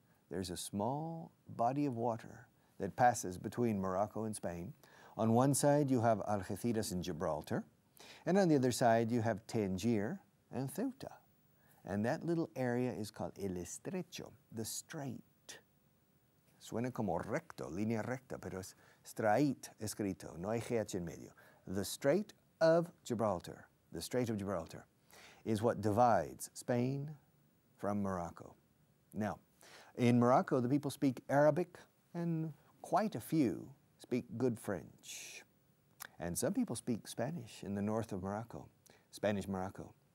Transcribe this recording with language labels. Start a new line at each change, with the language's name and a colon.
English: There's a small body of water that passes between Morocco and Spain. On one side, you have Algeciras and Gibraltar. And on the other side, you have Tangier and Ceuta. And that little area is called El Estrecho, the Strait.
Spanish: Suena como recto, línea recta, pero es Strait escrito, no hay GH en medio.
English: The Strait of Gibraltar, the Strait of Gibraltar, is what divides Spain from Morocco. Now, in Morocco, the people speak Arabic, and quite a few speak good French. And some people speak Spanish in the north of Morocco, Spanish Morocco.